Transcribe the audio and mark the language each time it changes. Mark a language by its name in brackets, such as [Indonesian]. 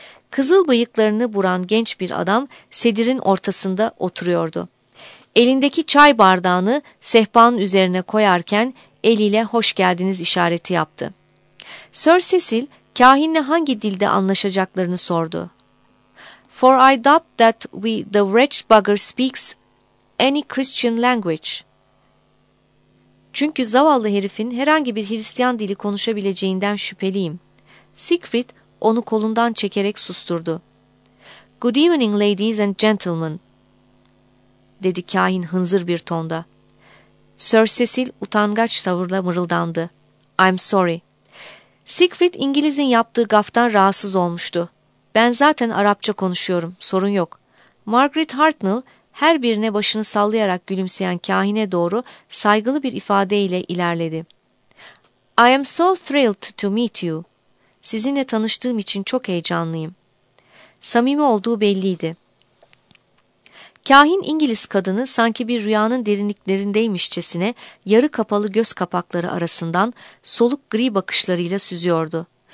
[Turkish] Kızıl bıyıklarını buran genç bir adam sedirin ortasında oturuyordu. Elindeki çay bardağını sehpanın üzerine koyarken eliyle hoş geldiniz işareti yaptı. Sir Cecil kahinle hangi dilde anlaşacaklarını sordu. [English] "For I doubt that we the wretched bugger speaks any Christian language." [Turkish] "Çünkü zavallı herifin herhangi bir Hristiyan dili konuşabileceğinden şüpheliyim." Siegfried onu kolundan çekerek susturdu. [English] "Good evening ladies and gentlemen," [Turkish] dedi kahin hınzır bir tonda. Sir Cecil utangaç tavırla mırıldandı. [English] "I'm sorry." [Turkish] Siegfried İngiliz'in yaptığı gaftan rahatsız olmuştu. "Ben zaten Arapça konuşuyorum, sorun yok." Margaret Hartnell her birine başını sallayarak gülümseyen kahine doğru saygılı bir ifadeyle ilerledi. [English] "I am so thrilled to meet you." [Turkish] "Sizinle tanıştığım için çok heyecanlıyım." Samimi olduğu belliydi. Kahin İngiliz kadını sanki bir rüyanın derinliklerindeymişçesine yarı kapalı göz kapakları arasından soluk gri bakışlarıyla süzüyordu.